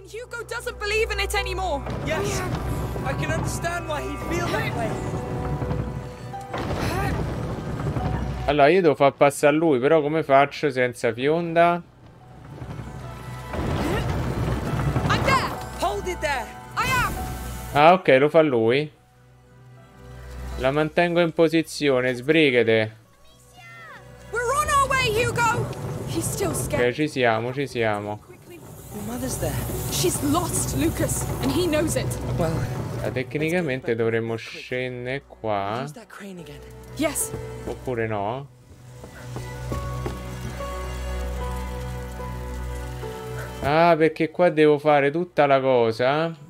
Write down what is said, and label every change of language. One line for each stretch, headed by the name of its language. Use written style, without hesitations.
English: Hugo doesn't believe in it anymore. Yes. I can understand why he feels that way.
Italian: Allora, io devo far passare a lui, però come faccio senza fionda?
English: I'm there. Hold it there. I am.
Italian: Ah, ok, lo fa lui. La mantengo in posizione, sbrigate.
English: We're on our way, Hugo. He's still scared.
Italian: Ok, ci siamo, ci siamo.
English: Your mother's there. She's lost, Lucas, and he knows it. Well,
Italian: tecnicamente dovremmo scendere qua.
English: Yes.
Italian: Oppure no? Ah, perché qua devo fare tutta la cosa.